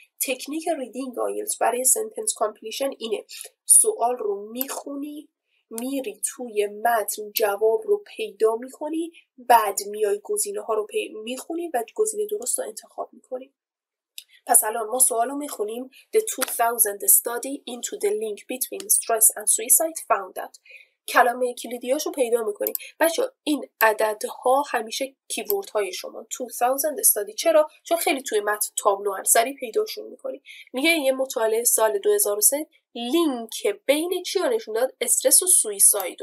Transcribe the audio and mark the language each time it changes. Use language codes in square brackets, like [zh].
[fa] تکنیک ریدینگ آیلتس برای سنتنس کامپلیشن اینه. سوال رو میخونی، میری توی متن جواب رو پیدا میکنی، بعد میای گزینه ها رو میخونی و گزینه درست رو انتخاب میکنی. پس الان ما سوال رو میخونیم. [en] The 2000 study into the link between stress and suicide found that. [fa] کلمه کلیدیاشو پیدا میکنی. بچه این عددها همیشه کیورد های شما 2000 استادی. چرا؟ چون خیلی توی متن تابلو هم سریع پیداشون میکنی. میگه یه مطالعه سال 2003 لینک بین چی رو نشون داد؟ استرس و سویساید.